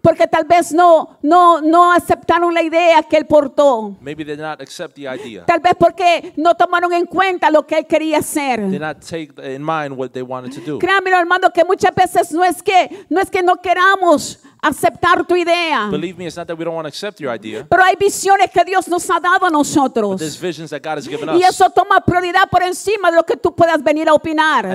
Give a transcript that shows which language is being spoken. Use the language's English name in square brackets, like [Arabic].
[Spanish] Porque tal vez no aceptaron la idea que él portó. [English] Maybe they did not accept the idea. [Spanish] Tal vez porque no tomaron en cuenta lo que él quería hacer. [English] They did not take in mind what they wanted to do. [Spanish] Créanme, hermano, que muchas veces no es que no queramos aceptar tu idea. [English] Believe me, it's not that we don't want to accept your idea. [Spanish] Pero hay visiones que Dios nos ha dado a nosotros. [English] But there's visions that God has given us. [Spanish] Y eso toma prioridad por encima de lo que tú puedas venir a opinar.